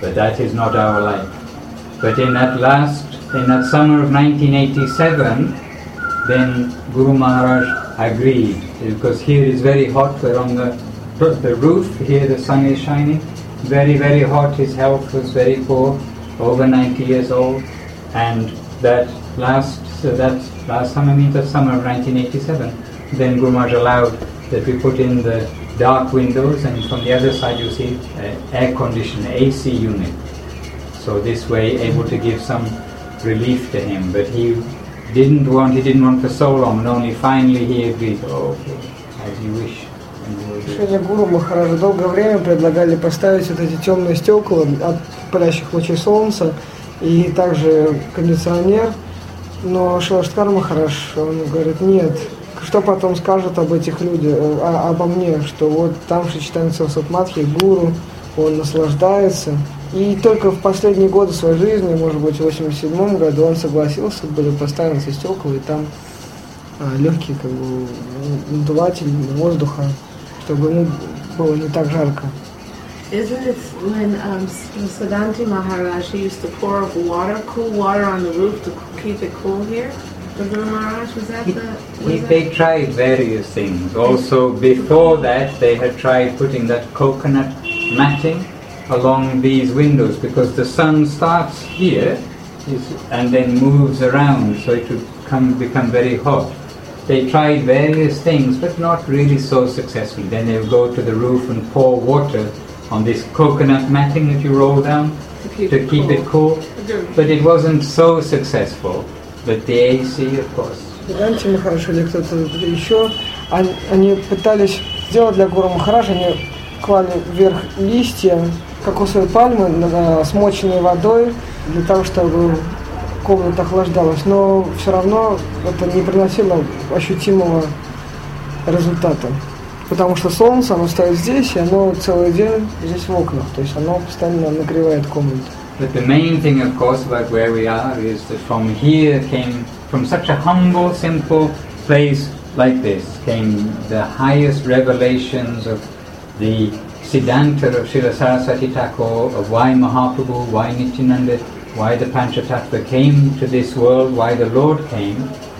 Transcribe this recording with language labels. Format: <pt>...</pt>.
<en>But that is not our life. But in that summer of 1987, then Guru Maharaj agreed, because here is very hot, we're on the roof, here the sun is shining, very, very hot, his health was very poor, over 90 years old, and that last summer of 1987, then Guru Maharaj allowed that we put in the dark windows, and from the other side you see air conditioned AC unit. So this way, able to give some relief to him. But he didn't want. He didn't want for so long. And only finally he agreed. Oh, okay, as you wish.</en> <ru>Гуру Махараджа долгое время предлагали поставить вот эти темные стекла от палящих лучей солнца и также кондиционер, но Шиваштхар Махарадж, он говорит, нет, что потом скажут об этих людях, обо мне, что вот там Шичтанцев Сатматхи, гуру, он наслаждается. И только в последние годы своей жизни, может быть, в 87-м году, он согласился, были поставлены эти стекла, и там легкий как бы надуватель воздуха, чтобы ему было не так жарко.</ru> <en>Isn't it when Sadanti Maharaj used to pour water, cool water on the roof to keep it cool here? The Guru Maharaj, was that They tried various things. Also before that they had tried putting that coconut matting along these windows because the sun starts here and then moves around so it would become very hot. They tried various things, but not really so successfully. Then they would go to the roof and pour water on this coconut matting that you roll down to keep it cool. But it wasn't so successful. But the AC, of course.</en> <ru>Ганти Махарадж или кто-то еще, они пытались сделать для Гуру Махараджа, они клали вверх листья кокосовой пальмы, смоченные водой, для того, чтобы комната охлаждалась, но все равно это не приносило ощутимого результата. Потому что солнце, оно стоит здесь, и оно целый день здесь в окнах. То есть оно постоянно нагревает комнату.</ru> <en>But the main thing, of course, about where we are is that from here came, from such a humble, simple place like this, came the highest revelations of the Siddhanta of Srila Sarasvati Thakur, of why Mahaprabhu, why Nityananda, why the Panchatattva came to this world, why the Lord came,</en>